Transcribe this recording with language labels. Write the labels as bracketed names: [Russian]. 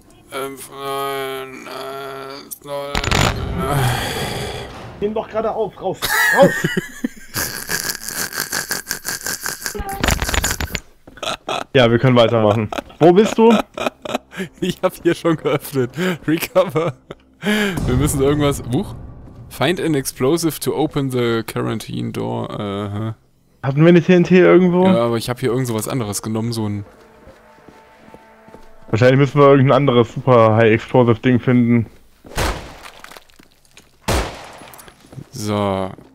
[German] 5, 9, 1, 0. Nimm doch gerade auf, raus! Ja, wir können weitermachen. Wo bist du? Ich hab hier schon geöffnet. [English] Recover. [German] Wir müssen irgendwas. Buch? [English] Find an explosive to open the quarantine door. [German] Hatten wir nicht TNT irgendwo? Ja, aber ich hab hier irgend so was anderes genommen, so ein. Wahrscheinlich müssen wir irgendein anderes [English] super high explosive [German] Ding finden. So.